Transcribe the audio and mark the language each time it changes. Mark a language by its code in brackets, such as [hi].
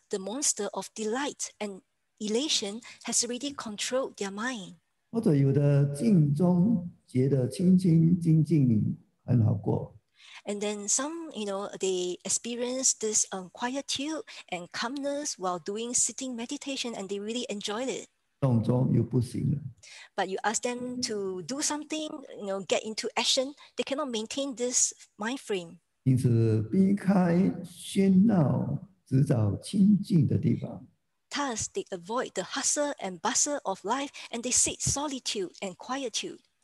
[en] the monster of delight and elation has already controlled their mind. [zh] 或者有的静中觉得清清静静很好过。 [en] And then some, you know, they experience this quietude and calmness while doing sitting meditation and they really enjoy it. [zh] 动中又不行了。 [en] But you ask them to do something, you know, get into action, they cannot maintain this mind frame. [zh] 因此避开喧闹，只找清静的地方。 [en] Thus, they avoid the hustle and bustle of life and they seek solitude and quietude.